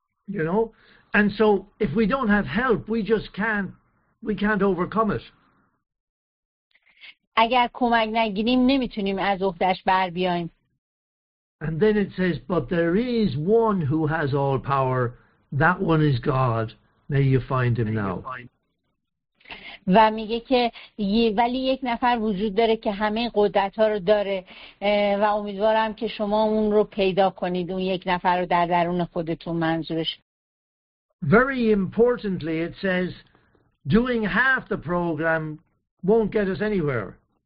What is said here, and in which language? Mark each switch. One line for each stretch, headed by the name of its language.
English: You know, and so if we don't have help, we can't overcome it.
Persian: اگر کمک نگیریم نمیتونیم از عهده‌اش بر بیایم.
English: And then it says, but there is one who has all power, that one is God. May you find him now.
Persian: و میگه که ولی یک نفر وجود داره که همه قدرت ها رو داره و امیدوارم که شما اون رو پیدا کنید، اون یک نفر رو در درون خودتون منظورش.
English: Very importantly it says doing half the program won't get us anywhere.